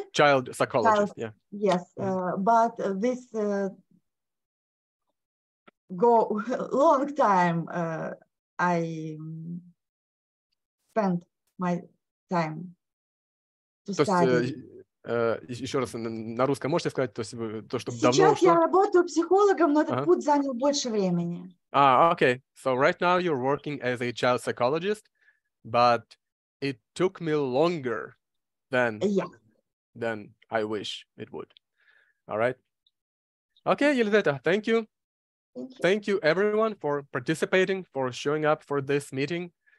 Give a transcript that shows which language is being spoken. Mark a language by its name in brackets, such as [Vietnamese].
[English] Child psychologist, yeah. Yes, but this go long time I spent my time to study. [Russian] Еще раз на русском можете сказать, то есть то, что сейчас давно. Сейчас я работаю психологом, но этот путь занял больше времени. [English] Okay. So right now you're working as a child psychologist, but it took me longer than than I wish it would. All right. Okay, Елизавета, thank you. Thank you everyone for participating, for showing up for this meeting.